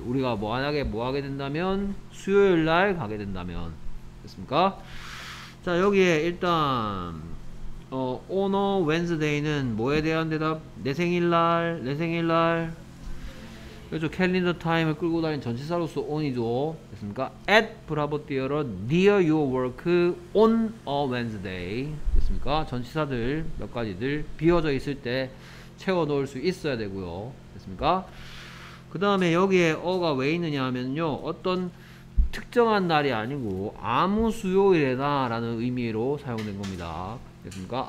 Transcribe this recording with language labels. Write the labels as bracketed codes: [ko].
[ko] 우리가 만약에 뭐 하게 된다면, 수요일 날 가게 된다면. 됐습니까? 자, 여기에 일단, [en] on a Wednesday [ko] 는 뭐에 대한 대답? 내 생일날. 그렇죠. 캘린더 타임을 끌고 다닌 전치사로서 on이죠. 됐습니까? [en] at Bravo Theater near your work on a Wednesday. [ko] 됐습니까? 전치사들 몇 가지들 비어져 있을 때 채워 넣을 수 있어야 되고요. 됐습니까? 그 다음에 여기에 어가 왜 있느냐 하면요. 어떤 특정한 날이 아니고 아무 수요일에다 라는 의미로 사용된 겁니다. 됐습니까?